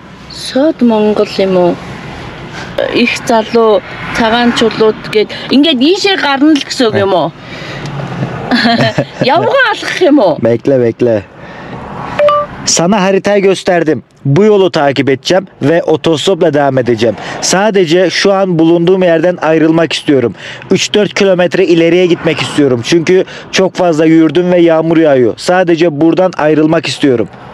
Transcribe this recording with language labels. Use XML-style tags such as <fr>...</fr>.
<mn>South Mongol юм уу? Их залуу цагаан чулууд гээд ингээд ийшээ гарна л гэсэн үг юм уу? Явгаа алхах юм уу?</mn> <tr>Bekle bekle. Sana haritayı gösterdim. Bu yolu takip edeceğim ve otostopla devam edeceğim. Sadece şu an bulunduğum yerden ayrılmak istiyorum. 3-4 kilometre ileriye gitmek istiyorum. Çünkü çok fazla yürüdüm ve yağmur yağıyor. Sadece buradan ayrılmak istiyorum.</tr>